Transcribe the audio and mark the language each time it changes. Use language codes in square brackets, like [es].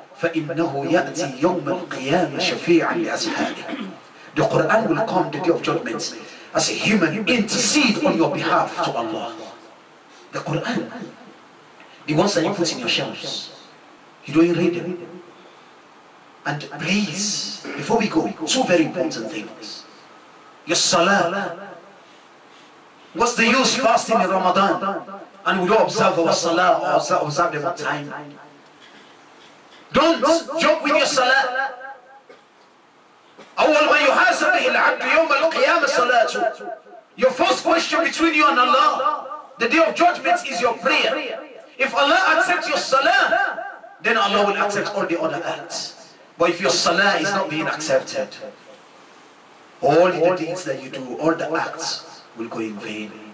[ar] فإنه يأتي يوم القيامة شفيعا لأصحابه. [en] The Quran will come the day of judgment as a human, intercede on your behalf to Allah. The Quran, the ones that you put in your shelves, you don't read them. And please, before we go, 2 very important things. Your salah. What's the use fasting in Ramadan? And we don't observe our salah or observe them on time. Don't joke with your salah. [ar] أول ما يحاسب به العبد يوم القيامة صلاته. [en] Your first question between you and Allah, the day of judgment, is your prayer. If Allah accepts your salah, then Allah will accept all the other acts. But if your salah is not being accepted, all the deeds that you do, all the acts, will go in vain.